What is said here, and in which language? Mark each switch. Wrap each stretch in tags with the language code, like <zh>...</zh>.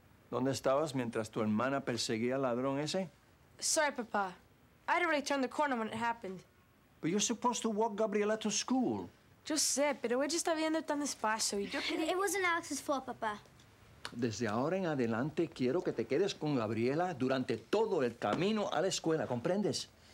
<es>¿Dónde estabas mientras tu hermana perseguía al ladrón ese?</es> <en>Sorry, Papa. I didn't really turn the corner when it happened. But you're supposed to walk Gabriela to school.</en> <es>Yo sé, pero ella está viendo tan despacio.</es> <en>It wasn't Alex's fault, Papa.</en> <es>Desde ahora en adelante quiero que te quedes con Gabriela durante todo el camino a la escuela, ¿comprendes?</es>